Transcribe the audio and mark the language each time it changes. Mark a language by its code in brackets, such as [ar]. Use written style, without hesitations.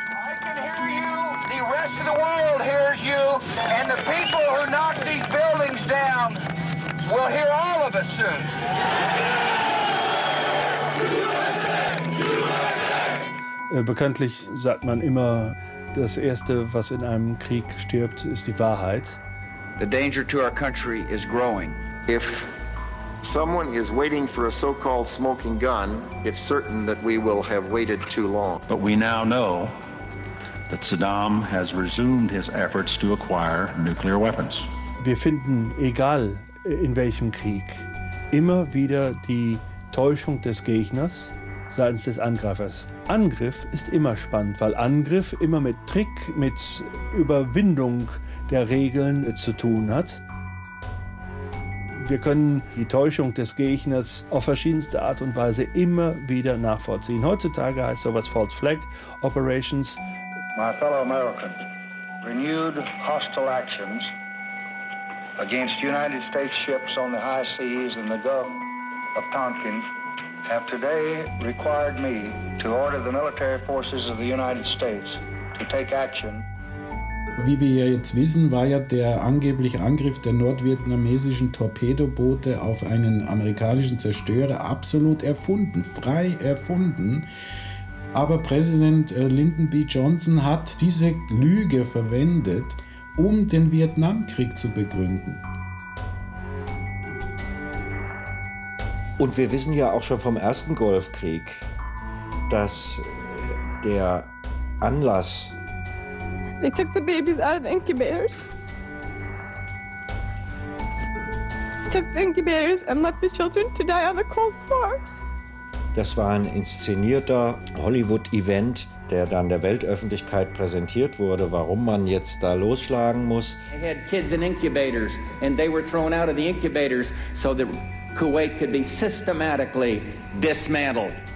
[en] I can hear you, the rest of the world hears you, and the people who knocked these buildings down will hear all of us soon. [de] Bekanntlich sagt man immer, das Erste, was in einem Krieg stirbt, ist die Wahrheit. [en] The danger to our country is growing. If someone is waiting for a so-called smoking gun, it's certain that we will have waited too long. But we now know that Saddam has resumed his efforts to acquire nuclear weapons. [de] Wir finden, egal in welchem Krieg, immer wieder die Täuschung des Gegners seitens des Angreifers. Angriff ist immer spannend, weil Angriff immer mit Trick, mit Überwindung der Regeln zu tun hat. Wir können die Täuschung des Gegners auf verschiedenste Art und Weise immer wieder nachvollziehen. Heutzutage heißt sowas False Flag Operations. [en] My fellow Americans, renewed hostile actions against United States ships on the high seas in the Gulf of Tonkin have today required me to order the military forces of the United States to take action. [de] Wie wir ja jetzt wissen, war ja der angebliche Angriff der nordvietnamesischen Torpedoboote auf einen amerikanischen Zerstörer absolut erfunden, frei erfunden. Aber Präsident Lyndon B. Johnson hat diese Lüge verwendet, um den Vietnamkrieg zu begründen. Und wir wissen ja auch schon vom ersten Golfkrieg, dass der Anlass. [en] They took the babies out of the incubators. Took the incubators and left the children to die on the cold floor. [de] Das war ein inszenierter Hollywood-Event, der dann der Weltöffentlichkeit präsentiert wurde, warum man jetzt da losschlagen muss. [en] They had kids in incubators and they were thrown out of the incubators so that Kuwait could be systematically dismantled.